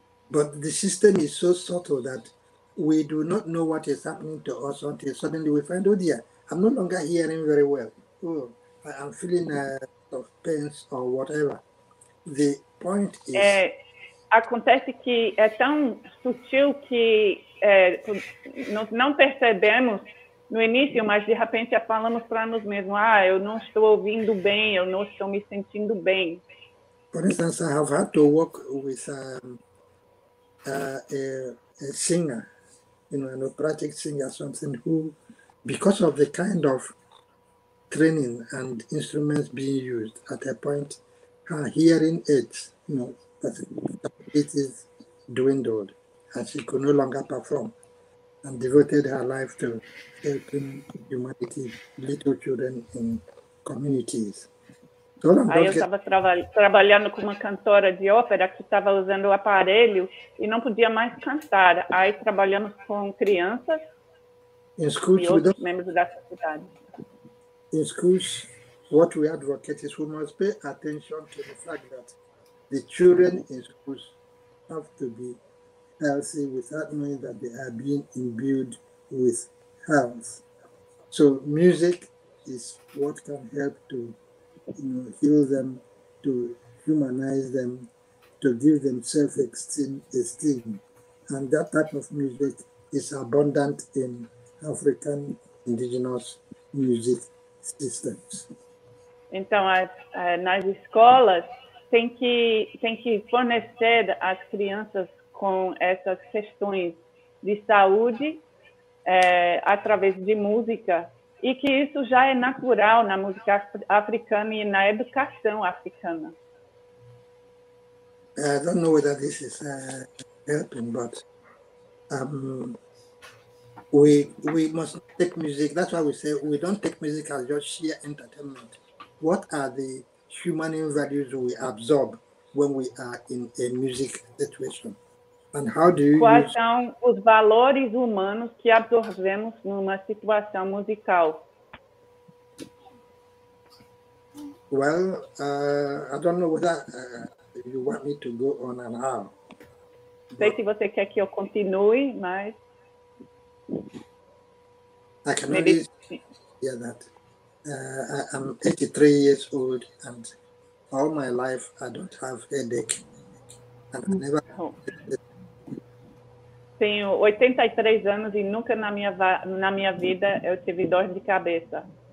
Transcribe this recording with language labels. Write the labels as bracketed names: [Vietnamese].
[English] But the system is so subtle that we do not know what is happening to us until suddenly we find, oh dear, I'm no longer hearing very well. Oh, I'm feeling a lot of pain or whatever. The point is... [Portuguese] Acontece que é tão sutil que nós não percebemos no início, mas de repente falamos para nós mesmos, eu não estou ouvindo bem, eu não estou me sentindo bem. [English] For instance, I have had to work with a singer, you know, an operatic singer, something who, because of the kind of training and instruments being used at a point, her hearing aids, you know, it is dwindled and she could no longer perform and devoted her life to helping humanity, little children in communities. [Portuguese] So aí eu estava trabalhando com uma cantora de ópera que estava usando o aparelho e não podia mais cantar. Aí trabalhamos com crianças [English] in school, [Portuguese] e outros membros da sociedade. [English] In schools, what we advocate is we must pay attention to the fact that the children in schools have to be healthy without knowing that they are being imbued with health. So music is what can help to, you know, heal them, to humanize them, to give them self-esteem. And that type of music is abundant in African indigenous music systems. [Portuguese] Então, nas escolas, tem que fornecer às crianças com essas questões de saúde através de música, e que isso já é natural na música africana e na educação africana. [English] I don't know whether this is helping, but we must take music. That's why we say we don't take music as just sheer entertainment. What are the human values we absorb when we are in a music situation? And how do you [Portuguese] quais use... são os valores humanos que absorvemos numa situação musical? [English] Well, I don't know whether you want me to go on and on. [Portuguese] Sei se você quer que eu continue, mas... [English] I can maybe... only hear that. I'm 83 years old, and all my life I don't have headache. And I never... [Portuguese] Tenho 83 anos e nunca na minha vida eu tive dor de cabeça.